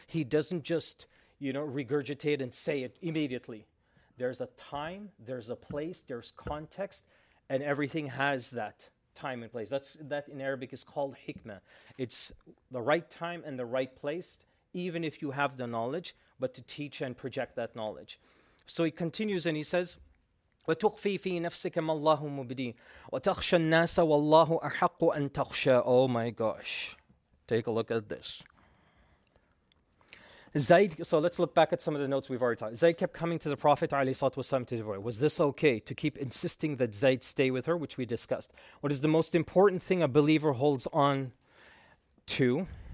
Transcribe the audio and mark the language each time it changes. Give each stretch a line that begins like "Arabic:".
English: He doesn't just, you know, regurgitate and say it immediately. There's a time, there's a place, there's context, and everything has that time and place. That in Arabic is called hikmah. It's the right time and the right place, even if you have the knowledge, but to teach and project that knowledge. So he continues and he says,
Arabic: وَتُخْفِي فِي نَفْسِكَ مَا اللَّهُ مُبْدِي وَتَخْشَ النَّاسَ وَاللَّهُ أَحَقُّ أَن تَخْشَى.
English: Oh my gosh. Take a look at this. Zayd, so let's look back at some of the notes we've already talked. Zayd kept coming to the Prophet ﷺ to divorce. Was this okay to keep insisting that Zayd stay with her, which we discussed? What is the most important thing a believer holds on to?